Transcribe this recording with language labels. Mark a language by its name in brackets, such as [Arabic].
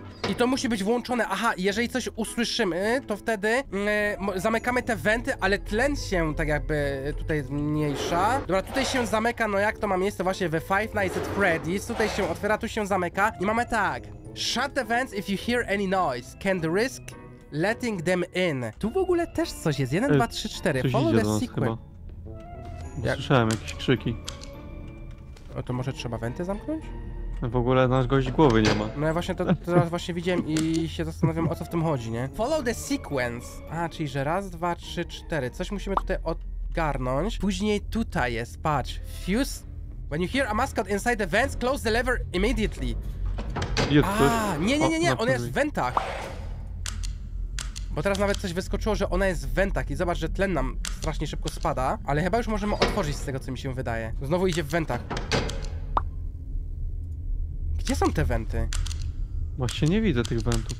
[Polish] I to musi być włączone, aha, jeżeli coś usłyszymy, to wtedy zamykamy te wenty, ale tlen się tak jakby tutaj zmniejsza. Dobra, tutaj się zamyka, no jak to ma miejsce właśnie we Five Nights at Freddy's. Tutaj się otwiera, tu się zamyka i mamy tak. [English] Shut the vents if you hear any noise. Can't risk letting them in. [Polish] Tu w ogóle też coś jest, 1, 2, 3, 4. [English] Follow the sequel. [Polish] Słyszałem jakieś krzyki. O, to może trzeba wenty zamknąć? W ogóle nasz gość głowy nie ma. No ja właśnie to teraz właśnie widziałem i się zastanawiam, o co w tym chodzi, nie? [English] Follow the sequence. [Polish] A, czyli że raz, dwa, trzy, cztery. Coś musimy tutaj odgarnąć. Później tutaj jest, patrz. [English] Fuse. When you hear a mascot inside the vents, close the lever immediately. [Polish] Jest. A, nie, on jest w wentach. Bo teraz nawet coś wyskoczyło, że ona jest w wentach i zobacz, że tlen nam strasznie szybko spada. Ale chyba już możemy otworzyć z tego, co mi się wydaje. Znowu idzie w wentach. Gdzie są te wenty? Właśnie nie widzę tych wentów.